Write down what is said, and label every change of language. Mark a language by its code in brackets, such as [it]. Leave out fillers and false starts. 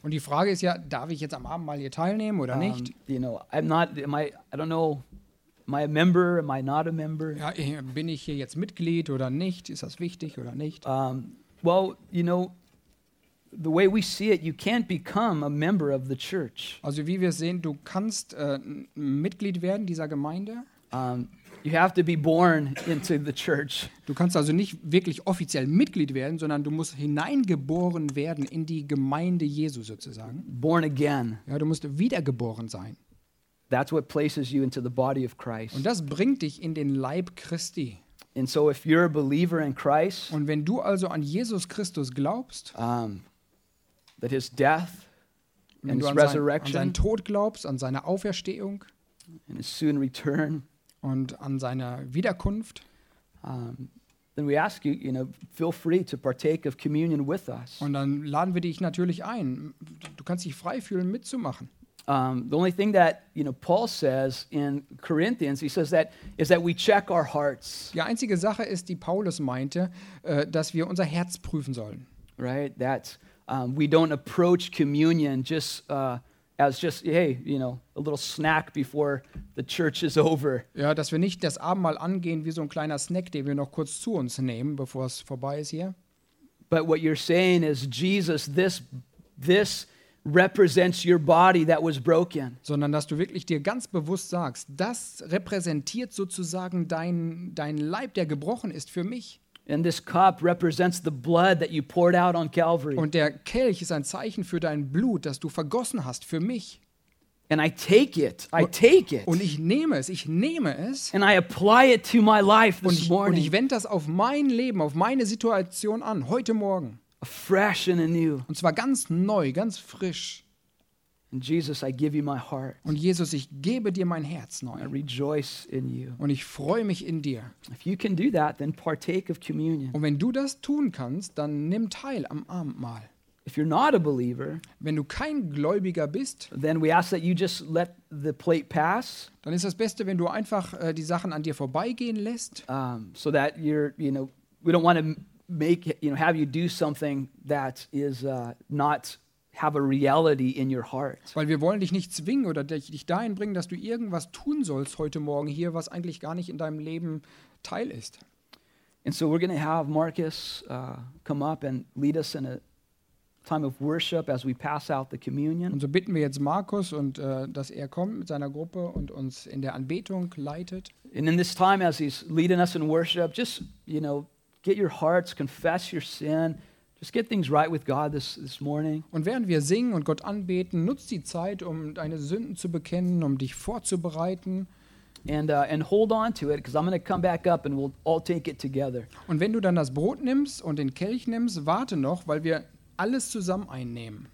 [de] Und die Frage ist ja, darf ich jetzt am Abend mal hier teilnehmen oder nicht? [en] You know, am I a member, am I not a member? [de] Ja, bin ich hier jetzt Mitglied oder nicht? Ist das wichtig oder nicht? [en] Well, you know, the way we see it, you can't become a member of the church. [de] Also wie wir sehen, du kannst Mitglied werden dieser Gemeinde. [en] You have to be born into the church. [de] Du kannst also nicht wirklich offiziell Mitglied werden, sondern du musst hineingeboren werden in die Gemeinde Jesu sozusagen. [en] Born again. [de] Ja, du musst wiedergeboren sein. [en] That's what places you into the body of Christ. [de] Und das bringt dich in den Leib Christi. [en] And so if you're a believer in Christ, [de] und wenn du also an Jesus Christus glaubst, [en] that his death and his resurrection, [de] an seinen Tod glaubst, an seine Auferstehung [en] and his soon return, [de] und an seine Wiederkunft, [en] then we ask you, you know, feel free to partake of communion with us. [de] Und dann laden wir dich natürlich ein. Du kannst dich frei fühlen, mitzumachen. [en] The only thing that, you know, Paul says in Corinthians, he says that is that we check our hearts. [de] Die einzige Sache ist, die Paulus meinte, dass wir unser Herz prüfen sollen. [en] Right, that we don't approach communion just as hey, you know, a little snack before the church is over. [de] Ja, dass wir nicht das Abendmahl angehen wie so ein kleiner Snack, den wir noch kurz zu uns nehmen, bevor es vorbei ist hier. [en] But what you're saying is Jesus, this represents your body that was broken. [de] Sondern dass du wirklich dir ganz bewusst sagst, das repräsentiert sozusagen dein Leib, der gebrochen ist für mich. [en] And this cup represents the blood that you poured out on Calvary. [de] Und der Kelch ist ein Zeichen für dein Blut, das du vergossen hast für mich. [en] And I take it. [de] Und ich nehme es. [en] And I apply it to my life this morning. [de] Und ich wende das auf mein Leben, auf meine Situation an, heute Morgen. [en] Fresh and anew. [de] Und zwar ganz neu, ganz frisch. [en] And Jesus, I give you my heart. [de] Und Jesus, ich gebe dir mein Herz neu. [en] I rejoice in you. [de] Und ich freue mich in dir. [en] If you can do that, then partake of communion. [de] Und wenn du das tun kannst, dann nimm teil am Abendmahl. [en] If you're not a believer, [de] wenn du kein Gläubiger bist, [en] then we ask that you just let the plate pass. [de] Dann ist das Beste, wenn du einfach die Sachen an dir vorbeigehen lässt. [en] So that you're, you know, we don't want to make, you know, have you do something that is not have a reality in your heart. [de] Weil wir wollen dich nicht zwingen oder dich dahin bringen, dass du irgendwas tun sollst heute Morgen hier, was eigentlich gar nicht in deinem Leben Teil ist. [en] And so we're going to have Marcus come up and lead us in a time of worship as we pass out the communion. [de] Und so bitten wir jetzt Markus und dass er kommt mit seiner Gruppe und uns in der Anbetung leitet. [en] And in this time as he's leading us in worship, just, you know, get your hearts, confess your sin, just get things right with God this morning. [de] Und während wir singen und Gott anbeten, nutz die Zeit, um deine Sünden zu bekennen, um dich vorzubereiten. [en] And hold on to it, because I'm going to come back up and we'll all take it together. [de] Und wenn du dann das Brot nimmst und den Kelch nimmst, warte noch, weil wir alles zusammen einnehmen.